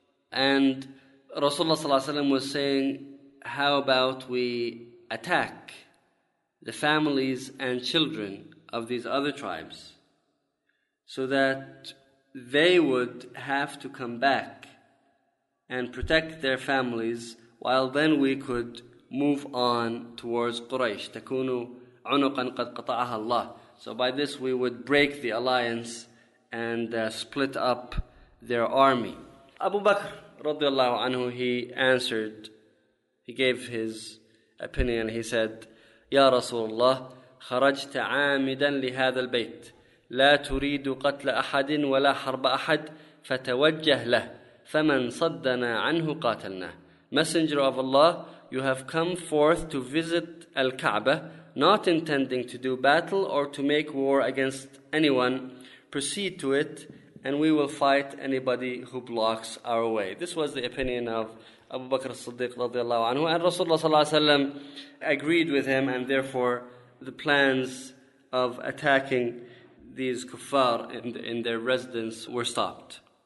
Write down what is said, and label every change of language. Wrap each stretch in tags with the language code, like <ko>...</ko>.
<en>And Rasulullah sallallahu alaihi wasallam was saying, "How about we attack the families and children of these other tribes so that they would have to come back and protect their families, while then we could move on towards Quraysh.</en> <ar>تَكُونُ عُنُقًا قَدْ قَطَعَهَا اللَّهُ.</ar> <en>So by this we would break the alliance and split up their army.</en> <ar>Abu Bakr رضي الله عنه,</ar> <en>he answered, he gave his opinion, he said,</en> <ar>يا رسول الله خرجت عامدا لهذا البيت لا تريد قتل أحد ولا حرب أحد فتوجه له فمن صدنا عنه قاتلنا.</ar> <en>Messenger of Allah, you have come forth to visit Al-Kaaba, not intending to do battle or to make war against anyone. Proceed to it and we will fight anybody who blocks our way. This was the opinion of Abu Bakr as-Siddiq radiallahu anhu, and Rasulullah sallallahu alayhi wa sallam agreed with him, and therefore the plans of attacking these kuffar in their residence were stopped.</en>